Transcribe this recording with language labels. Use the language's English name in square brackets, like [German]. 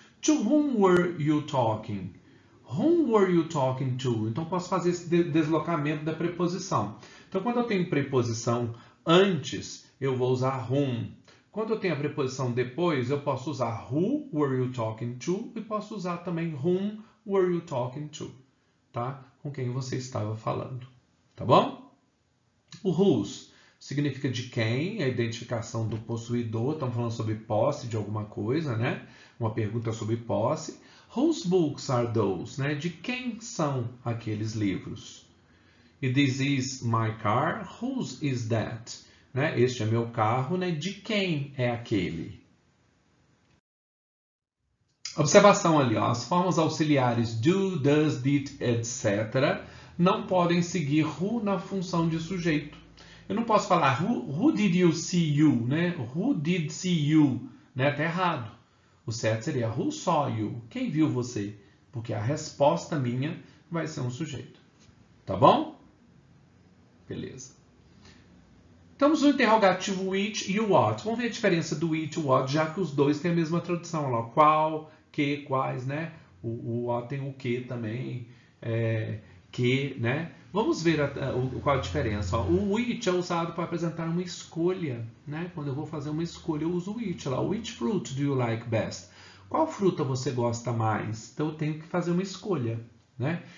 [English] To whom were you talking? Whom were you talking to? [Portuguese] Então, posso fazer esse deslocamento da preposição. Então, quando eu tenho preposição antes, eu vou usar whom. Quando eu tenho a preposição depois, eu posso usar [English] who were you talking to [Portuguese] e posso usar também [English] whom were you talking to, [Portuguese] tá? Com quem você estava falando, tá bom? O whose significa de quem, a identificação do possuidor, estamos falando sobre posse de alguma coisa, né? Uma pergunta sobre posse. [English] Whose books are those, né? [Portuguese] De quem são aqueles livros? [English] E this is my car, whose is that? [Portuguese] Né? Este é meu carro, né? De quem é aquele? Observação ali, ó. As formas auxiliares do, does, did, etc. não podem seguir who na função de sujeito. Eu não posso falar [English] who did you see you, [Portuguese] né? [English] Who did see you, [Portuguese] né? Tá errado. O certo seria [English] who saw you, [Portuguese] quem viu você? Porque a resposta minha vai ser um sujeito. Tá bom? Beleza. Temos o interrogativo which e o what. Vamos ver a diferença do which e o what, já que os dois têm a mesma tradução. Lá, qual, que, quais, né? O what tem o que também. Que, né? Vamos ver qual a diferença. Ó. O which é usado para apresentar uma escolha, né? Quando eu vou fazer uma escolha, eu uso o which. [English] Lá, which fruit do you like best? [Portuguese] Qual fruta você gosta mais? Então, eu tenho que fazer uma escolha, né?